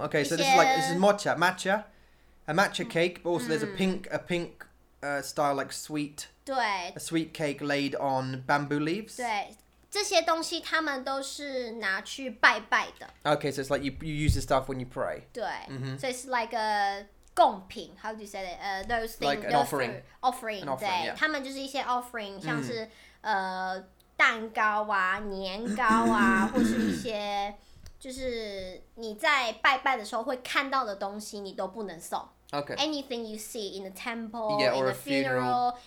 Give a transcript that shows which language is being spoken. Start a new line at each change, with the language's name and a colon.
English: Okay, so this is matcha cake, but also there's a pink style like sweet.
Chinese: 对
English: ，a sweet cake laid on bamboo leaves.
Chinese: 对，这些东西他们都是拿去拜拜的。
English: Okay, so it's like you use the stuff when you pray.
Chinese: 对。
English: So it's like a 贡品 ，how do you say it? Those things. Like an offering. Offering. An offering.
Chinese: 对，
English: yeah.
Chinese: 他们就是一些 offering， 像是蛋糕啊、年糕啊，或是一些就是你在拜拜的时候会看到的东西，你都不能送。
English: Okay. Anything you see in the temple, yeah, in a funeral,